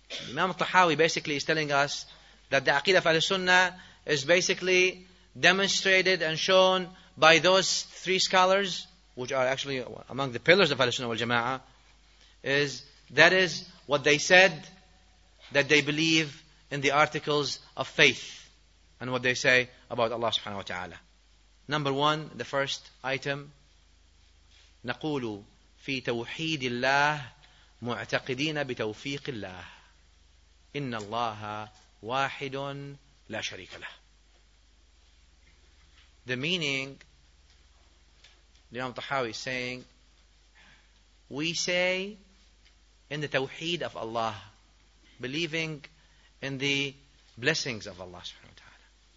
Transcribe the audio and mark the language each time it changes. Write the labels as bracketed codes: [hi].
[en] Imam al-Tahawi basically is telling us that the Aqidah of Al-Sunnah is basically demonstrated and shown by those three scholars, which are actually among the pillars of Al-Sunnah wal-Jama'ah, is that is what they said, that they believe in the articles of faith and what they say about Allah subhanahu wa ta'ala. Number one, the first item, [ar] نَقُولُ فِي تَوْحِيدِ اللَّهِ مُعْتَقِدِينَ بِتَوْفِيقِ اللَّهِ إِنَّ اللَّهَ وَاحِدٌ لَا شَرِيكَ لَهِ. [en] The meaning, Imam Tahawi is saying, we say in the tawheed of Allah, believing in the blessings of Allah subhanahu wa ta'ala.